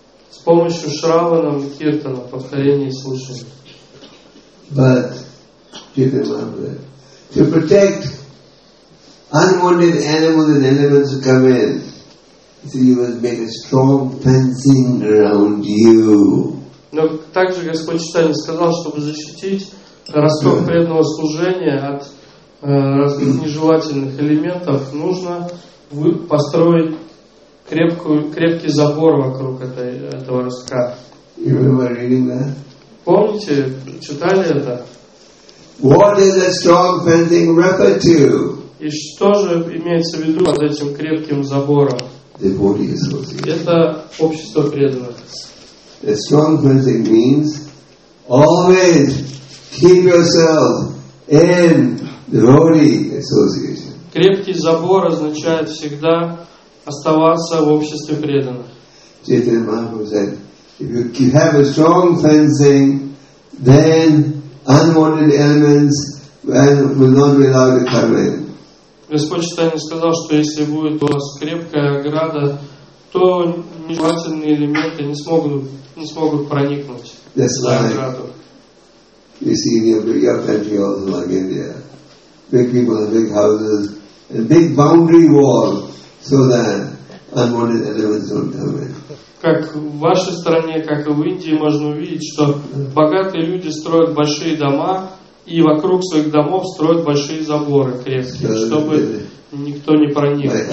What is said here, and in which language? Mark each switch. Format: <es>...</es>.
<ru>С помощью шраванам и киртана, повторения и слушания.</ru> <en>But to protect unwanted animals and elements who come in, so you must make a strong fencing around you.</en> <ru>Но также Господь Чайтанья сказал, чтобы защитить росток преданного служения от разных нежелательных элементов, нужно построить крепкий забор вокруг этого ростка.</ru> <en>You remember reading that?</en> <ru>Помните, читали это?</ru> <en>What is a strong fencing referred to?</en> <ru>И что же имеется в виду под этим крепким забором?</ru> <en>Devotee association.</en> <ru>Это общество преданных.</ru> <en>A strong fencing means always keep yourself in devotee association.</en> <ru>Крепкий забор означает всегда оставаться в обществе преданных.</ru> <en>Chaitanya Mahaprabhu said, if you have a strong fencing, then unwanted elements will not be allowed to come in.</en> <ru>Господь Чайтанья сказал, что если будет у вас крепкая ограда, то нежелательные элементы не смогут проникнуть.</ru> <en>That's why you see in your country also like India, big people have big houses and big boundary wall so that unwanted elements don't come in.</en> <ru>Как в вашей стране, как и в Индии, можно увидеть, что богатые люди строят большие дома и вокруг своих домов строят большие заборы крепкие, чтобы никто не проник.</ru>